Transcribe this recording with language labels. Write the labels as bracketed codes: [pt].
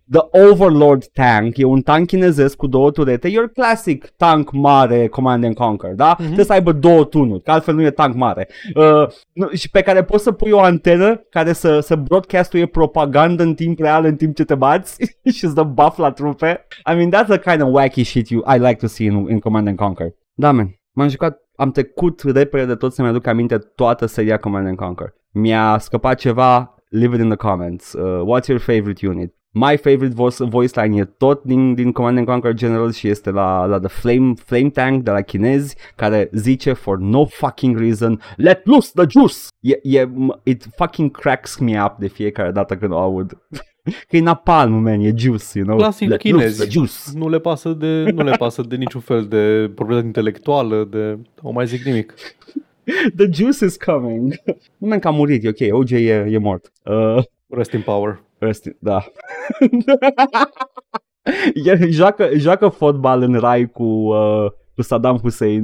[ro] The Overlord Tank e un tank chinezesc cu două turete. Your classic tank mare Command & Conquer, da? Mm-hmm. Trebuie să aibă două tunuri, că altfel nu e tank mare. Și pe care poți să pui o antenă care să broadcastuie propagandă în timp real, în timp ce te bați și îți dă buff la trupe. [en] I mean, that's the kind of wacky shit I like to see in Command & Conquer. [ro] Da, man, m-am jucat, am trecut repede de tot să-mi aduc aminte toată seria Command & Conquer. Mi-a scăpat ceva, [en] leave it in the comments. What's your favorite unit? My favorite voice line [ro] e tot din Command & Conquer Generals și este la The Flame Tank de la chinezi, care zice, [en] for no fucking reason, let loose the juice! It fucking cracks me up [ro] de fiecare dată când o aud. Că e napalm, man, e juice, you know? [en] Classic let chinezi. Loose the juice. [ro] Nu le pasă de niciun fel de proprietate intelectuală, de... O mai zic nimic. [en] The juice is coming. [ro] Nu, man, că a murit, e ok, OJ e mort. [en] Rest in power. [ro] Da. El joacă fotbal în rai cu Saddam Hussein.